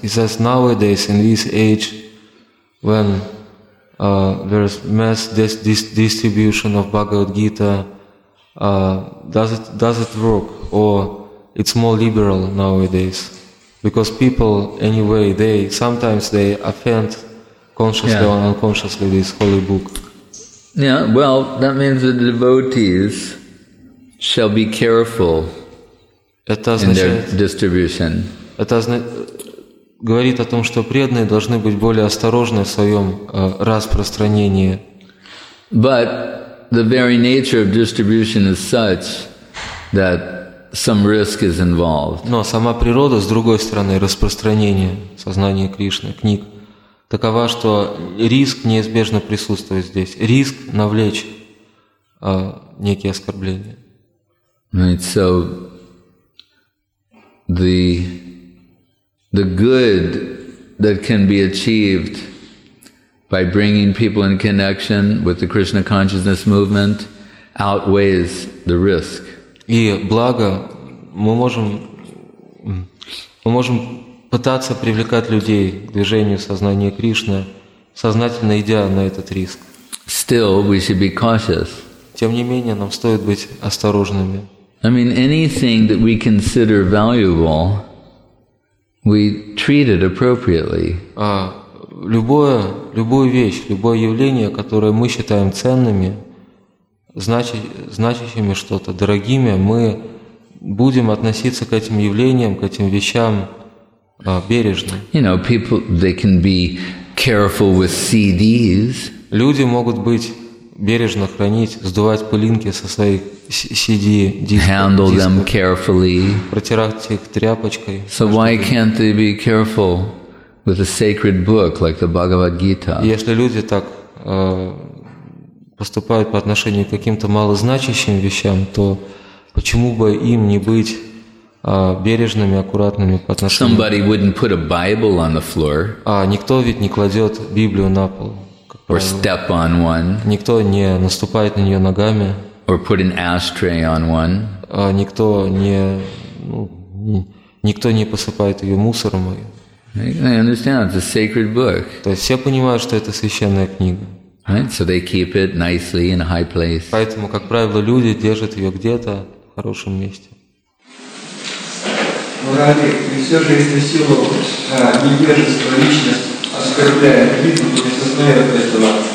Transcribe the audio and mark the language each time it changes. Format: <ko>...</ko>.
<en>He says nowadays in this age when there is mass distribution of Bhagavad Gita, does it work or it's more liberal nowadays? Because people anyway they sometimes offend consciously or unconsciously this holy book. Yeah, well, that means the devotees shall be careful in their distribution.</en> <ru>Это говорит о том, что преданные должны быть более осторожны в своем распространении.</ru> <en>But the very nature of distribution is such that some risk is involved.</en> <ru>Но сама природа, с другой стороны, распространение сознания Кришны, книг, такова, что риск неизбежно присутствует здесь. Риск навлечь некие оскорбления.</ru> <en>Right, so the good that can be achieved by bringing people in connection with the Krishna consciousness movement outweighs the risk.</en> <ru>И благо мы можем пытаться привлекать людей к движению сознания Кришны, сознательно идя на этот риск.</ru> <en>Still, we should be cautious.</en> <ru>Тем не менее, нам стоит быть осторожными.</ru> <en>I mean, anything that we consider valuable, we treat it appropriately.</en> <ru>Любую вещь, любое явление, которое мы считаем ценными, значащими что-то, дорогими, мы будем относиться к этим явлениям, к этим вещам, бережно.</ru> <en>You know, people, they can be careful with CDs.</en> <ru>Люди могут быть бережно хранить, сдувать пылинки со своих CD-дисков.</ru> <en>Handle them carefully.</en> <ru>Протирать их тряпочкой.</ru> <en>So why can't they be careful with a sacred book like the Bhagavad Gita?</en> <ru>Если люди так поступают по отношению к каким-то малозначащим вещам, то почему бы им не быть бережными, аккуратными по отношению?</ru> <en>Somebody wouldn't put a Bible on the floor.</en> <ru>А никто ведь не кладет Библию на пол.</ru> <en>Or step on one.</en> <ru>Никто не наступает на нее ногами.</ru> <en>Or put an ashtray on one.</en> <ru>А никто не, ну, никто не посыпает ее мусором.</ru> <en>I understand. It's a sacred book.</en> <ru>То есть все понимают, что это священная книга.</ru> <en>Right? So they keep it nicely in a high place.</en> <ru>Поэтому, как правило, люди держат ее где-то в хорошем месте. Рави, и все же из-за силы невежества личность оскорбляет Кришну, не сознает этого.</ru>